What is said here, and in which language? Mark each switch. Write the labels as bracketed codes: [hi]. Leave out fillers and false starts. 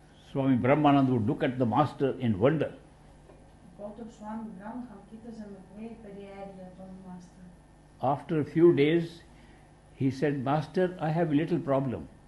[en] Swami Brahmanand would look at the master in wonder. [el] Οπότε ο Swami Brahmanand κοίταζε με πολύ περιέργεια τον μάστερ. [en] After a few days, he said, Master, I have a little problem.